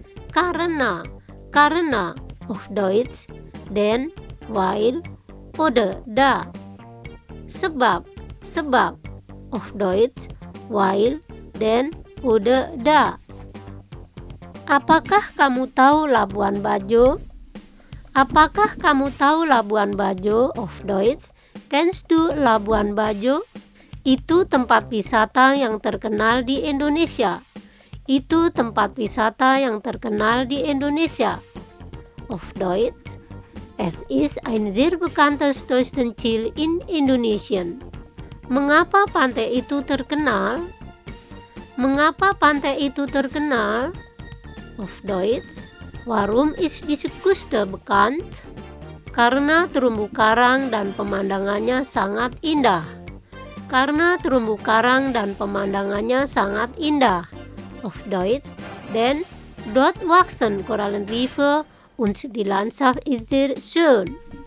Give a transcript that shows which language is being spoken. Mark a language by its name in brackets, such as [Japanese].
[German] Karena, Karena auf Deutsch, den, weil oder da. Sebab, Sebab auf Deutsch, weil, den, oder da. [Indonesian] Apakah kamu tahu Labuan Bajo? Apakah kamu tahu Labuan Bajo [German] of Deutsch? Kennst du Labuan Bajo? [Indonesian] Itu tempat wisata yang terkenal di Indonesia. Itu tempat wisata yang terkenal di Indonesia. [German] Of Deutsch. Es ist ein sehr bekanntes Touristenziel in Indonesia. [Indonesian] Mengapa pantai itu terkenal? Mengapa pantai itu terkenal? [German] Auf Deutsch, warum ist diese Küste bekannt? [Indonesian] Karena terumbu karang dan pemandangannya sangat indah. Karena terumbu karang dan pemandangannya sangat indah. [German] Auf Deutsch, denn dort wachsen Korallenriffe und die Landschaft ist sehr schön.